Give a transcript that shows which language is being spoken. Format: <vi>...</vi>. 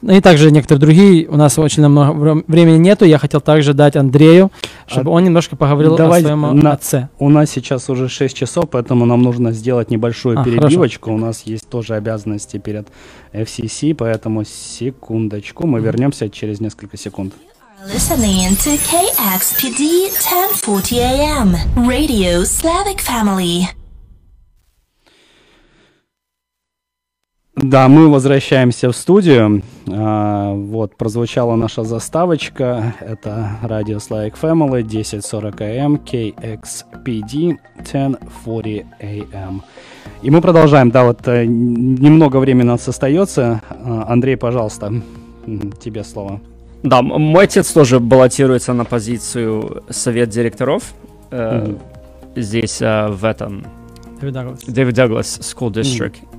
<ru>Ну и также некоторые другие, у нас очень много времени нету, я хотел также дать Андрею, чтобы он немножко поговорил о своем отце. У нас сейчас уже 6 часов, поэтому нам нужно сделать небольшую перебивочку, хорошо. У нас есть тоже обязанности перед FCC, поэтому секундочку, мы вернемся через несколько секунд.</ru> <en>Listening to KXPD 1040 AM, Radio Slavic Family.</en> <ru>Да, мы возвращаемся в студию. Вот, прозвучала наша заставочка. Это Radio Slavic Family 10.40 AM, KXPD 10.40 AM. И мы продолжаем. Да, вот немного времени у нас остается. Андрей, пожалуйста, тебе слово. Да, мой отец тоже баллотируется на позицию совет директоров. Здесь в этом... Дэвид Дэглас School District. Mm.</ru>